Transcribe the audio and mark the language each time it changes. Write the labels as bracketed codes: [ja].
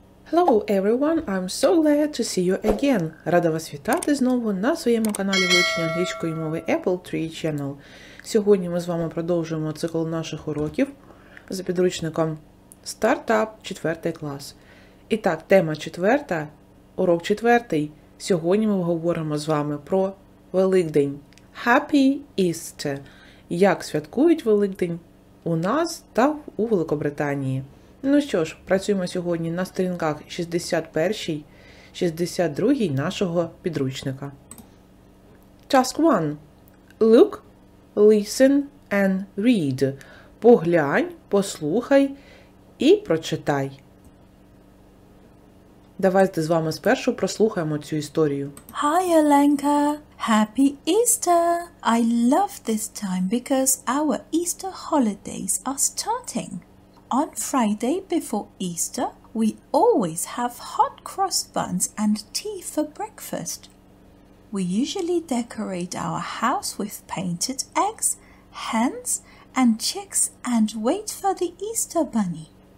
[en] Hello everyone, I'm so glad to see you again. [uk] Рада вас вітати знову на своєму каналі вивчення англійської мови Apple Tree Channel. Сьогодні ми з вами продовжуємо цикл наших уроків за підручником Startup 4 клас. І так, тема 4, урок 4. Сьогодні ми говоримо з вами про Великдень. [en] Happy Easter. [uk] Як святкують Великдень у нас та у Великобританії. Ну що ж, працюємо сьогодні на сторінках 61-62 нашого підручника. [en] Task 1. Look, listen and read. [uk] Поглянь, послухай і прочитай. Давайте з вами спершу прослухаємо цю історію. [en] Hi, Olenka! Happy Easter! I love this time because our Easter holidays are starting. On Friday before Easter, we always have hot cross buns and tea for breakfast. We usually decorate our house with painted eggs, hens and chicks and wait for the Easter bunny.